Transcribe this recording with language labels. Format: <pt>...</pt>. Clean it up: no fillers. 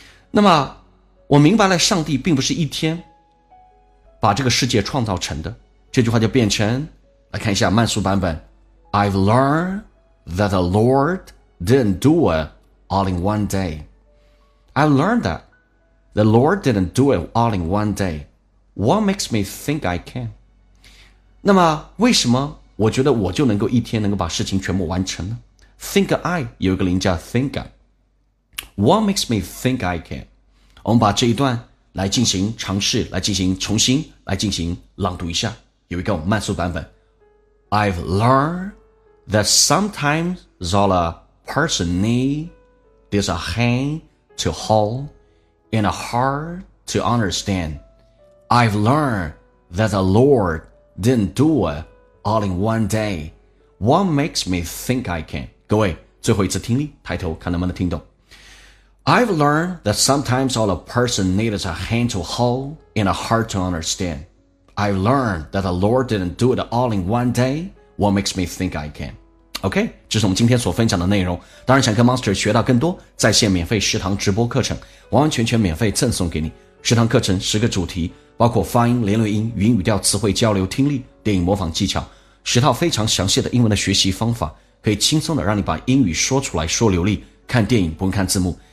<zh>那么我明白了，上帝并不是一天把这个世界创造成的。这句话就变成，来看一下慢速版本。</zh> <en>I've learned that the Lord didn't do it all in one day. I've learned that the Lord didn't do it all in one day. What makes me think I can?</en> <zh>那么为什么我觉得我就能够一天能够把事情全部完成呢？</zh> <en>Think I</en> <zh>有一个零叫</zh> <en>think I. What makes me think I can?</en> <zh>我们把这一段来进行尝试，来进行重新，来进行朗读一下。有一个慢速版本。</zh> <en>I've learned that sometimes all a person need is a hand to hold and a heart to understand. I've learned that the Lord didn't do it all in one day. What makes me think I can?</en> <zh>各位，最后一次听力，抬头看能不能听懂。</zh> <en>I've learned that sometimes all a person needs is a hand to hold and a heart to understand. I've learned that the Lord didn't do it all in one day. What makes me think I can?</en> <zh>OK， 这是我们今天所分享的内容。当然想跟 Monster 学到更多在线免费食堂直播课程，完完全全免费赠送给你。食堂课程十个主题，包括发音、连轮音、语音语调、词汇交流、听力、电影模仿技巧，十套非常详细的英文的学习方法，可以轻松的让你把英语说出来说流利，看电影不用看字幕。</zh>